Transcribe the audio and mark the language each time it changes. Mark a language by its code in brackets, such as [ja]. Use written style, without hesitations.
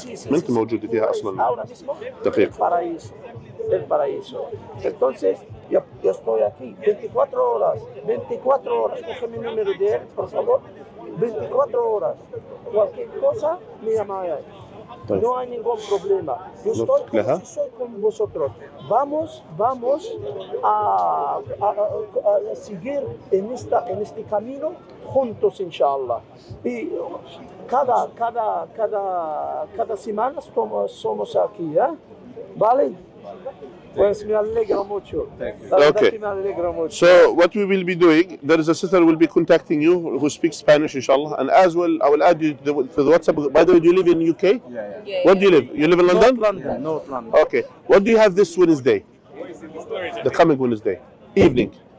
[ar] من أنت موجودة فيها أصلاً؟ دقيقة. [es] El paraíso. Entonces, yo estoy aquí 24 horas, coge mi número de él, por favor, 24 horas, cualquier cosa, me llama a él. No hay ningún problema. Yo estoy con vosotros. Vamos a seguir en este camino juntos, inshallah. Y cada semana somos aquí, ¿vale? [en] Okay. So what we will be doing, there is a sister who will be contacting you who speaks Spanish, inshallah, and as well, I will add you to the WhatsApp. By the way, do you live in UK? Yeah. Where do you live? You live in London? North London. Okay. What do you have this Wednesday? The coming Wednesday. Evening.